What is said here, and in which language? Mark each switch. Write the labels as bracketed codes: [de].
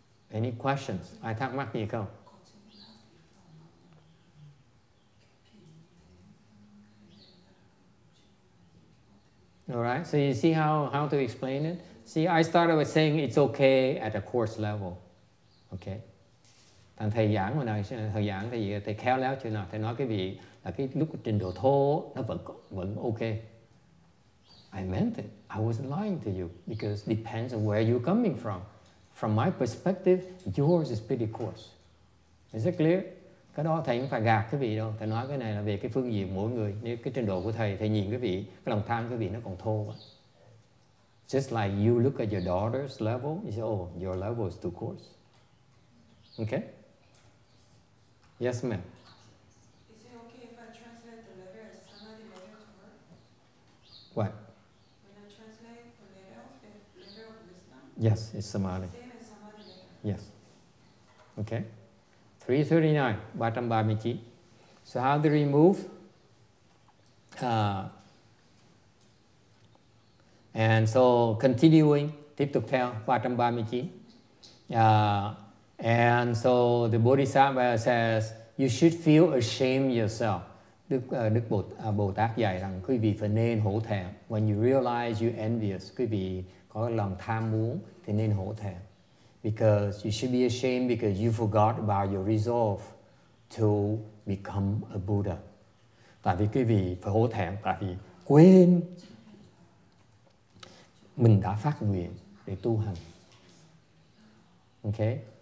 [en] Any questions? [vi] Ai thắc mắc gì không? [en] All right. So you see how to explain it? See, I started with saying it's okay at a coarse level. Okay. [vi] Thằng thầy giảng hồi nãy, thầy giảng thầy khéo léo chưa nào? Thầy nói cái vị là cái lúc trình độ thô nó vẫn okay. [en] I meant it. I wasn't lying to you because it depends on where you're coming from. From my perspective, yours is pretty coarse. Is it clear? [vi] Cái đó thầy không phải gạt cái vị đâu. Thầy nói cái này là về cái phương diện mỗi người. Nếu cái trình độ của thầy nhìn cái vị, cái lòng tham cái vị nó còn thô quá. [en] Just like you look at your daughter's level, you say, oh, your level is too coarse. Okay? Yes, ma'am. Is it okay if I translate the letter as somebody letter to her? What? Yes, it's Samadhi. Yes. Okay. 339, 339. So how do we remove? And so continuing, [vi] tiếp tục theo, [en] 339. And so the Bodhisattva says, you should feel ashamed yourself. [vi] Đức Bồ Tát dạy rằng quý vị phải nên hổ thẹn. [en] When you realize you're envious, [vi] quý vị có lòng tham muốn thì nên hổ thẹn. [en] Because you should be ashamed because you forgot about your resolve to become a Buddha. [vi] Tại vì quý vị phải hổ thẹn tại vì quên mình đã phát nguyện để tu hành. Okay?